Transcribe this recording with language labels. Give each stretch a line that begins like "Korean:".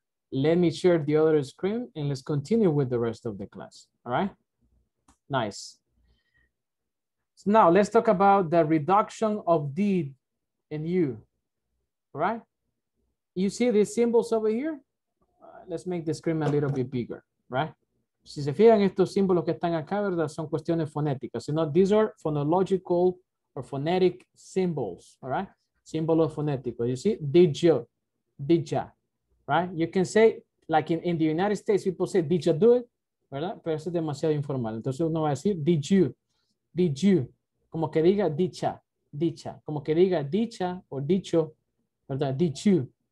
English: Let me share the other screen and let's continue with the rest of the class, all right? Nice. So now let's talk about the reduction of did and you, all right? You see these symbols over here? Let's make the screen a little bit bigger, right?
Spanish: Si se fijan estos símbolos que están acá, ¿verdad? Son cuestiones fonéticas.
English: You know, these are phonological or phonetic symbols, all right?
Spanish: Símbolo fonético.
English: You see, did ya, right? You can say, like in the United States, people say, did ya do it, ¿verdad?
Spanish: Pero eso es demasiado informal. Entonces uno va a decir, did you, como que diga dicha, como que diga dicha o dicho, ¿verdad? Did you.